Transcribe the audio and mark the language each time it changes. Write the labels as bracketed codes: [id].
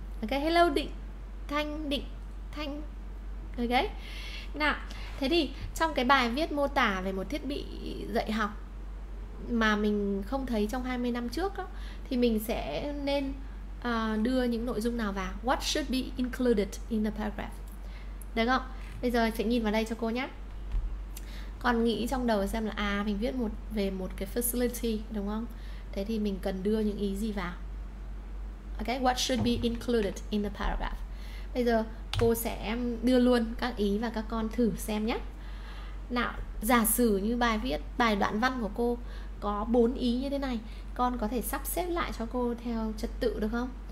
[vi] Ok, hello Định Thanh, Định Thanh. Ok, nào, thế thì trong cái bài viết mô tả về một thiết bị dạy học mà mình không thấy trong 20 năm trước đó, thì mình sẽ nên đưa những nội dung nào vào. [en] What should be included in the paragraph? [vi] Được không? Bây giờ sẽ nhìn vào đây cho cô nhé. Còn nghĩ trong đầu xem là mình viết một về một cái facility, đúng không? Thế thì mình cần đưa những ý gì vào. [en] Ok, what should be included in the paragraph? [vi] Bây giờ cô sẽ đưa luôn các ý và các con thử xem nhé. Nào, giả sử như bài viết, bài đoạn văn của cô có 4 ý như thế này, con có thể sắp xếp lại cho cô theo trật tự được không?